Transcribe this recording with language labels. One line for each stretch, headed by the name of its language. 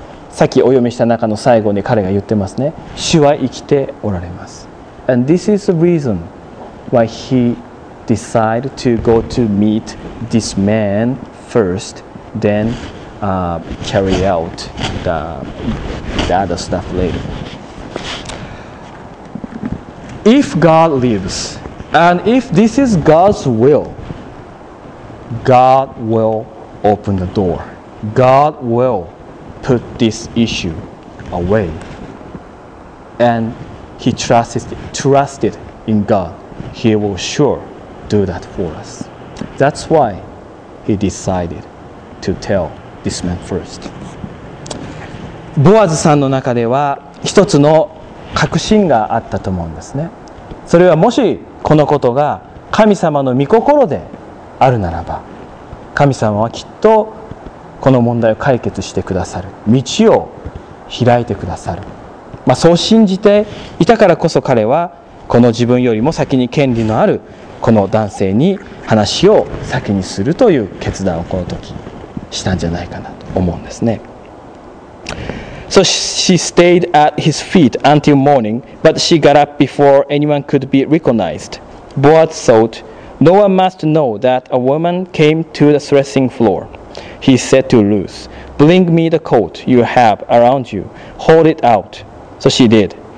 Japanese: さっきお読みした中の最後に彼が言ってますね。主は生きておられます。
English: And this is the reason why he decided to go to meet this man first, then carry out the other stuff later. If God lives, and if this is God's will, God will open the door. God will put this issue away. And he trusted in God. He will sure do that for us. That's why he decided to tell this man first.
Japanese: ボアズさんの中では一つの確信があったと思うんですね。それはもしこのことが神様の御心であるならば、神様はきっとこの問題を解決してくださる、道を開いてくださる、まあ、そう信じていたからこそ彼はこの自分よりも先に権利のあるこの男性に話を先にするという決断をこの時したんじゃないかなと思うんですね。
English: So she stayed at his feet until morning, but she got up before anyone could be recognized. Boaz thought, no one must know that a woman came to the threshing floor. He said to Ruth, bring me the coat you have around you. Hold it out. So she did.